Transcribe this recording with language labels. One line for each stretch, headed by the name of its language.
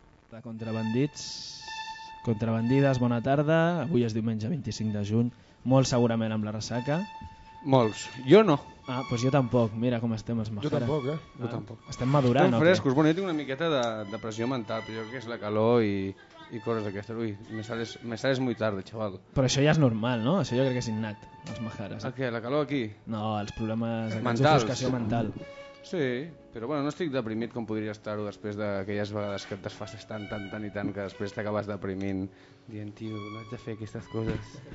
Catalan: De contrabandits, contrabandides, bona tarda. Avui és diumenge 25 de juny. Molt segurament amb la ressaca. Molts. Jo no. Ah, doncs pues jo tampoc. Mira com estem els Majares. Jo tampoc, eh? Jo tampoc. Estem madurant. Estem frescos. Bueno, jo tinc una miqueta de pressió mental, però jo crec que és la calor i coses d'aquestes.
Spanish: Ui, me sales muy tarde, xaval.
Catalan: Però això ja és normal, no? Això jo crec que és innat, els Majares. El què? La calor aquí? No, els problemes... Mentals. Ofuscació mental. Sí, però bueno, no estic deprimit com podria estar-ho després d'aquelles vegades que et desfasses tant que després t'acabes deprimint dient, tio, no has de fer aquestes coses.